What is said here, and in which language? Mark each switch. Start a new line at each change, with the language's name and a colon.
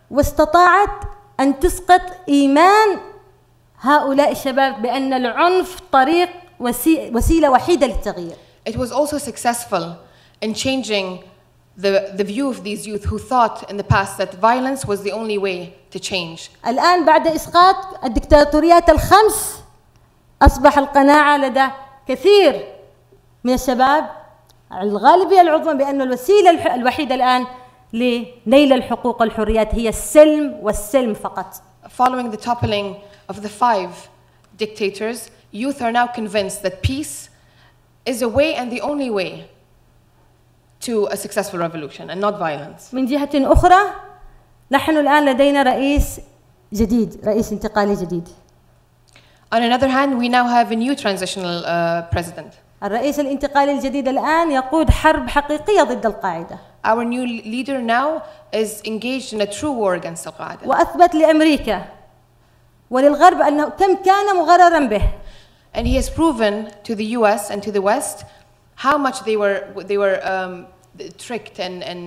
Arabic: واستطاعت أن تسقط إيمان هؤلاء الشباب بأن العنف طريق وسيلة وحيدة للتغيير.
English: It was also successful in changing the view of these youth who thought in the past that violence was the only way to change.
Arabic: الآن بعد إسقاط الدكتاتوريات الخمس أصبح القناعة لدى كثير من الشباب الغالبية العظمى بأن الوسيلة الوحيدة الآن لنيل الحقوق والحريات هي السلم والسلم فقط.
English: Following the toppling of the five dictators, youth are now convinced that peace is a way and the only way to a successful revolution and not violence.
Arabic: من جهة أخرى, نحن الآن لدينا رئيس جديد, رئيس انتقالي جديد.
English: On another hand, we now have a new transitional president.
Arabic: الرئيس الانتقالي الجديد الآن يقود حرب حقيقية ضد القاعدة.
English: Our new leader now is engaged in a true war against Al-Qaeda.
Arabic: وأثبت لأمريكا وللغرب أنه كم كان مغررا به.
English: And he has proven to the US and to the West how much they were tricked and